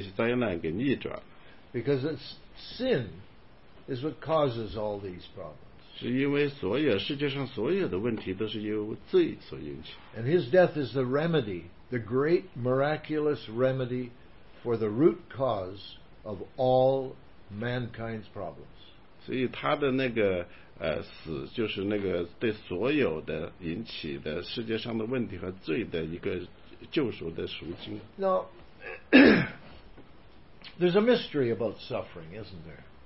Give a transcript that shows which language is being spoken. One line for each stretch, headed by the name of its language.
Chinese: 所以他主耶稣在十字架上的死，实际上把那个疾病和那些灾难给逆转。
English: Because sin is what causes all these problems.
Chinese: 是因为世界上所有的问题都是由罪所引起。
English: And his death is the remedy, the great miraculous remedy for the root cause of all mankind's problems.
Chinese: 所以他的那个 死就是那个对所有的引起的世界上的问题和罪的一个救赎的赎金。
English: Now, there's a mystery about suffering, isn't there?